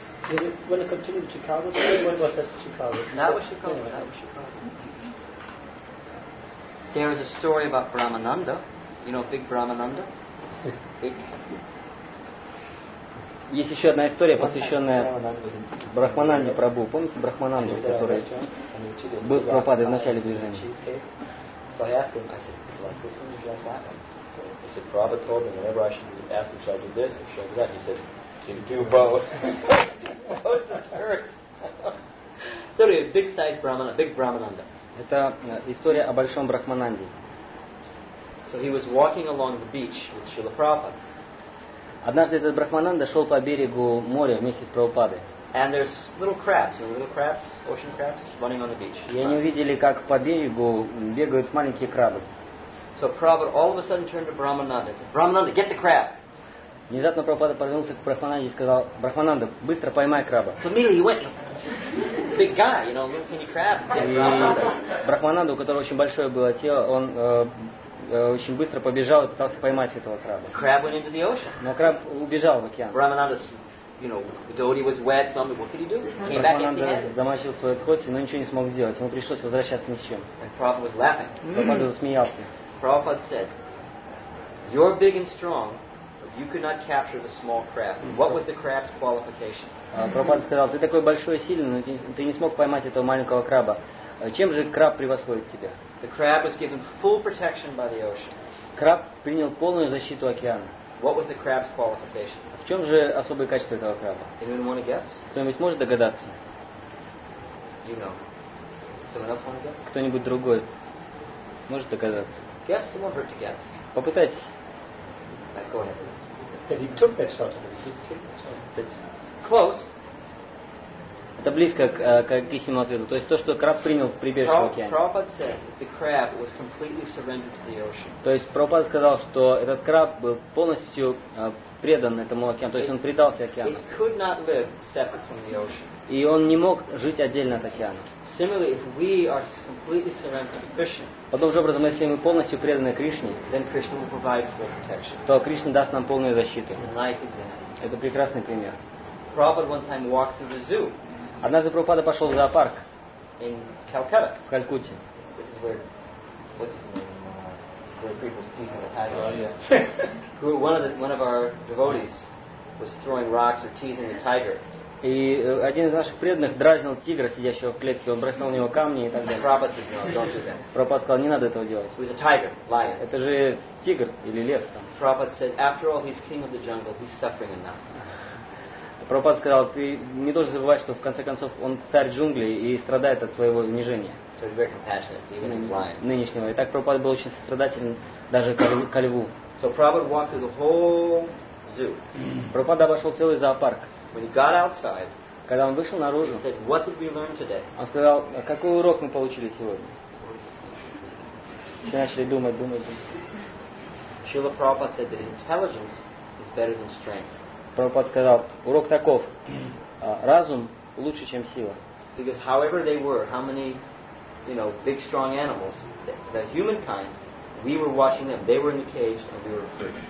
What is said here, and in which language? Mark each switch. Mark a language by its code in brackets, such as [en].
[en] There is a story about Brahmananda. You know, big Brahmananda. [ru] Есть еще одна история, посвященная Брахмананде Прабху. Помните Брахмананду, который был Прабхупадой в начале движения? [en] So I asked him, I said, like this one, like that one. He said, Prabhupada told me whenever I should ask him, should I do this or should I do that? He said, can you do both? Both hurt. So anyway, big size Brahmananda, big Brahmananda. [ru] Это история о большом Брахмананде. [en] So he was walking along the beach with Srila Prabhupada. [ru] Однажды этот Брахмананда шел по берегу моря вместе с Прабхупадой. [en] And there's little crabs, you know, little crabs, ocean crabs, running on the beach. [ru] И они увидели, как по берегу бегают маленькие крабы. [en] So Prabhupada all of a sudden turned to Brahmananda and said, Brahmananda, get the crab! [ru] Внезапно Прабхупада повернулся к Брахмананде и сказал, Брахмананда, быстро поймай краба. [en] So immediately he went, big guy, you know, little teeny crab. [ru] Брахмананда, у которого очень большое было тело, он очень быстро побежал и пытался поймать этого краба. [en] The crab went into the ocean. [ru] Но краб убежал в океан. [en] Brahmananda's, you know, dhoti was wet, so what could he do? Came back empty-handed. [ru] Брахмананда замочил свое дхоти, но ничего не смог сделать. Ему пришлось возвращаться ни с чем. [en] And Prabhupada was laughing. [ru] Прабхупада засмеялся. [en] Prabhupada said, you're big and strong, but you could not capture the small crab. What was the crab's qualification? [ru] Прабхупада сказал, ты такой большой и сильный, но ты не смог поймать этого маленького краба. Чем же краб превосходит тебя? [en] The crab was given full protection by the ocean. [ru] Краб принял полную защиту океана. [en] What was the crab's qualification? [ru] В чем же особое качество этого краба? [en] Anyone want to guess? [ru] Кто-нибудь может догадаться? [en] You know. Someone else want to guess? [ru] Кто-нибудь другой может догадаться? [en] Guess, someone heard to guess. [ru] Попытайтесь. [en] Go ahead. That he took that shot. That's close. [ru] Это близко к истинному ответу. То есть то, что краб принял прибежище в океане. [en] Prabhupada said the crab was completely surrendered to the ocean. [ru] То есть Прабхупада сказал, что этот краб был полностью предан этому океану. То есть он предался океану. [en] It could not live separate from the ocean. [ru] И он не мог жить отдельно от океана. [en] Similarly, if we are completely surrendered to Krishna. [ru] Потом же образом, если мы полностью преданы Кришне, [en] then Krishna will provide full protection. [ru] То Кришна даст нам полную защиту. [en] Nice example. [ru] Это прекрасный пример. [en] Prabhupada one time walked through the zoo. [ru] Однажды Прабхупада пошел в зоопарк [en] in Calcutta. [ru] В Калькутте. [en] This is where, what's his name, where people see some Italian. Oh, yeah. Who, one of our devotees was throwing rocks or teasing the tiger. [ru] И один из наших преданных дразнил тигра, сидящего в клетке. Он бросал на него камни и так далее. [en] Prabhupada said, no, don't do that. [ru] Прабхупада сказал, не надо этого делать. [en] He's a tiger, lion. [ru] Это же тигр или лев. [en] Prabhupada said, after all, he's king of the jungle, he's suffering enough. [ru] Прабхупада сказал, ты не должен забывать, что в конце концов он царь джунглей и страдает от своего унижения. [en] So he's very compassionate, even lion. [ru] Нынешнего. И так Прабхупада был очень сострадателен даже ко льву. [en] So Prabhupada walked through the whole zoo. [ru] Прабхупада обошел целый зоопарк. [en] When he got outside, [ru] когда он вышел наружу, [en] he said, "What did we learn today?" [ru] Он сказал, какой урок мы получили сегодня? Все начали думать. [en] Srila Prabhupada said that intelligence is better than strength. [ru] Прабхупада сказал, урок таков: разум лучше, чем сила. [en] Because however they were, how many, you know, big strong animals, the humankind, we were watching them. They were in the cage, and we were free.